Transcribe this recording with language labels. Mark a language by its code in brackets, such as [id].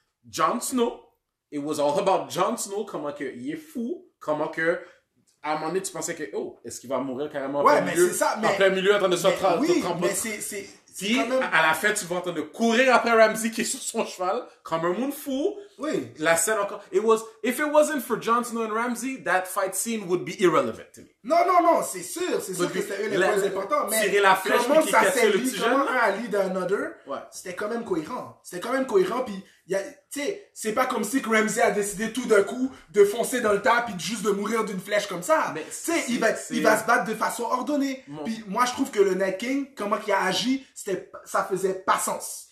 [fr] Jon Snow, [en] it was all about Jon Snow, [fr] comment que il est fou, comment que à un moment donné, tu pensais que, oh, est-ce qu'il va mourir carrément en plein milieu en train de se tremper? Oui, mais c'est puis, quand même... à la fin, tu vas en train de courir après Ramsay qui est sur son cheval, comme un moon fou. Oui. La scène encore. [en] If it wasn't for Jon Snow and Ramsay, that fight scene would be irrelevant to me. [fr] Non, non, non, c'est sûr. C'est sûr que c'était une des plus importantes. Mais tirer la flèche, comment ça s'est lié, comment un lead à another, c'était quand même cohérent. C'était quand même cohérent. Puis, tu sais, c'est pas comme si que Ramsey a décidé tout d'un coup de foncer dans le tas puis juste de mourir d'une flèche comme ça. Tu sais, il va se battre de façon ordonnée. Bon. Puis moi, je trouve que le Night King, comment il a agi, c'était, ça faisait pas sens.